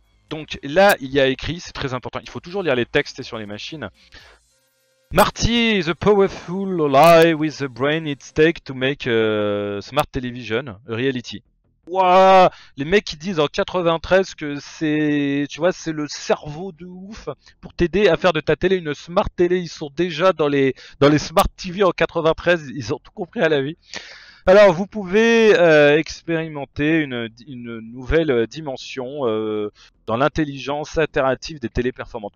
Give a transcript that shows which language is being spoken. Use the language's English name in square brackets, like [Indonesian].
[French] Donc, là, il y a écrit, c'est très important, il faut toujours lire les textes sur les machines. [English] Marty is a powerful ally with the brain it takes to make a smart television a reality. Wow! [French] Les mecs qui disent en 93 que c'est, tu vois, c'est le cerveau de ouf pour t'aider à faire de ta télé une smart télé. Ils sont déjà dans les smart TV en 93. Ils ont tout compris à la vie. Alors, vous pouvez expérimenter une nouvelle dimension dans l'intelligence interactive des télé performantes.